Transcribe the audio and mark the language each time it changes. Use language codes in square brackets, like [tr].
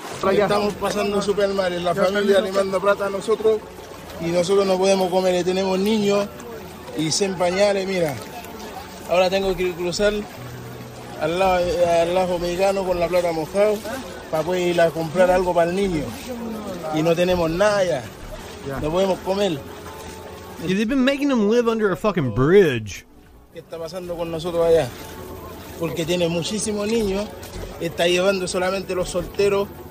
[es] Estamos pasando súper mal en la familia animando plata a nosotros y nosotros no podemos comer, tenemos niños y sin pañales, mira. Ahora tengo que cruzar al lado mexicano con la plata mojada para poder ir a comprar algo para el niño. Y no tenemos nada ya. No podemos comer. [en] Yeah, they've been making them live under a fucking bridge. [es] ¿Qué está pasando con nosotros allá? Porque tiene muchísimos niños, está llevando solamente los solteros.